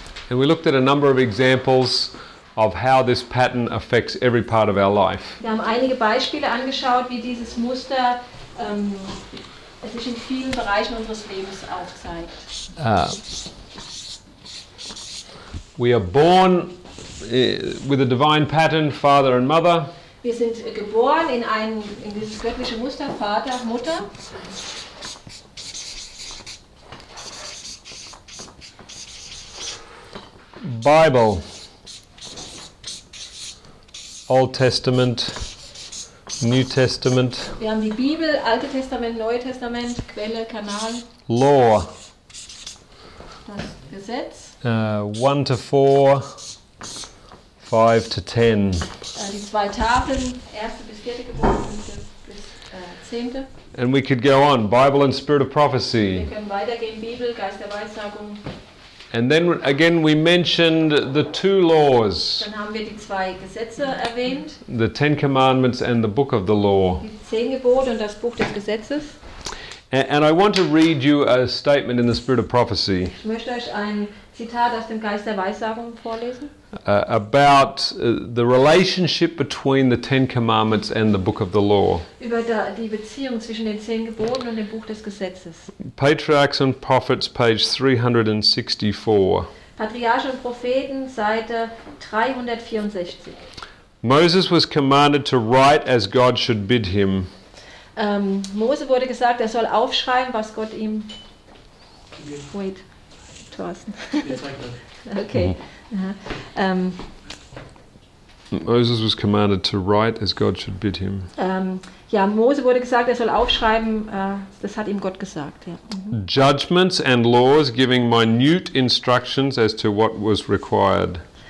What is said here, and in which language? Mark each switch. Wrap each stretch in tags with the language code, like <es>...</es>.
<en>And we looked at a number of examples of how this pattern affects every part of our life.</en> <de>Wir haben einige Beispiele angeschaut, wie dieses Muster sich in vielen Bereichen unseres Lebens aufzeigt.</de> <en>We are born with a divine pattern, father and mother.</en> <de>Wir sind geboren in dieses göttliche Muster, Vater, Mutter.</de> <en>Bible, Old Testament, New Testament.</en> <de>Wir haben die Bibel, Alte Testament, Neue Testament, Quelle, Kanal.</de> <en>Law.</en> <de>Das Gesetz.</de> <en>1 to 4, 5 to 10.</en> <de>Die zwei Tafeln, erste bis vierte Gebot, fünfte bis zehnte.</de> <en>And we could go on, Bible and Spirit of Prophecy.</en> <de>Wir können weitergehen, Bibel, Geist der Weissagung.</de> <en>And then again we mentioned the two laws.</en> <de>Dann haben wir die zwei Gesetze erwähnt.</de> <en>The Ten Commandments and the Book of the Law.</en> <de>Die Zehn Gebote und das Buch des Gesetzes.</de> <en>And I want to read you a statement in the Spirit of Prophecy.</en> <de>Ich möchte euch ein Zitat aus dem Geist der Weissagung vorlesen.</de> <en>about the relationship between the Ten Commandments and the Book of the Law.</en> <de>Über die Beziehung zwischen den Zehn Geboten und dem Buch des Gesetzes.</de> <en>Patriarchs and Prophets, page 364.</en> <de>Patriarchen und Propheten, Seite 364.</de> <en>Moses was commanded to write as God should bid him.</en> <de>Mose wurde gesagt, er soll aufschreiben, was Gott ihm...</de> <en>Wait, Thorsten. Okay. Moses was commanded to write as God should bid him.</en> <de>Ja, Mose wurde gesagt, er soll aufschreiben, das hat ihm Gott gesagt. Ja. Mhm.</de> <en>Judgments and laws giving minute instructions as to what was required.</en>